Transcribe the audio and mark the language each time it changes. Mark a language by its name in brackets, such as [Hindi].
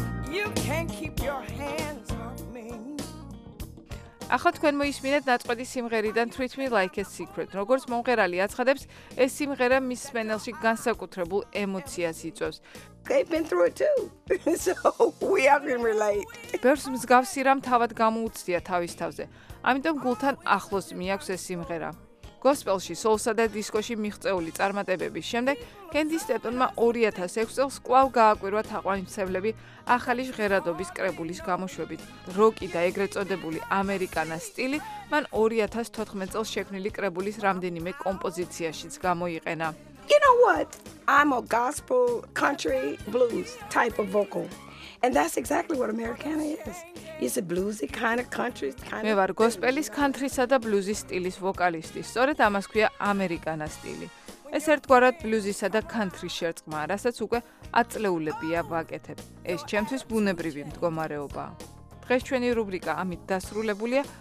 [English] You can't keep your hands off me. [Georgian] ახლა თქვენ მოისმინეთ ნაწყვეტი სიმღერიდან Treat Me Like a Secret. როგორც მომღერალი აცხადებს, ეს სიმღერა მის მსმენელში განსაკუთრებულ ემოციას იწვევს. [English] They've been through it too. So we have been relate. [Georgian] ბევრს მსგავსი რამ თავად გამოუცდია თავის თავზე. ამიტომ გულთან ახლოს მიაქვს ეს სიმღერა. Gospel-ში, soul-სა და disco-ში მიღწეული წარმატებების შემდეგ, Candy Staton-მა 2006 წელს კვლავ გააკვირვა თაყვანისმცემლები ახალი ჟღერადობის კრებულის გამოშვებით. როკი და ეგრეთ წოდებული ამერიკანას სტილი მან 2014 წელს შექმნილი კრებულის რამდენიმე კომპოზიციაშიც გამოიყენა. [English] You know what? I'm a gospel, country, blues type of vocal. And that's exactly what Americana is. It's a bluesy kind of country kind of. [Georgian] მე ვარ gospel-ის, country-სა და blues-ის სტილის ვოკალისტი. სწორედ ამას ქვია Americana სტილი. ეს ერთგვარად blues-ისა და country-ს შერწყმა, რასაც უკვე ათწლეულებია ვაკეთებ. ეს ჩემთვის ბუნებრივი მდგომარეობა. დღეს ჩვენი რუბრიკა ამით დასრულებულია.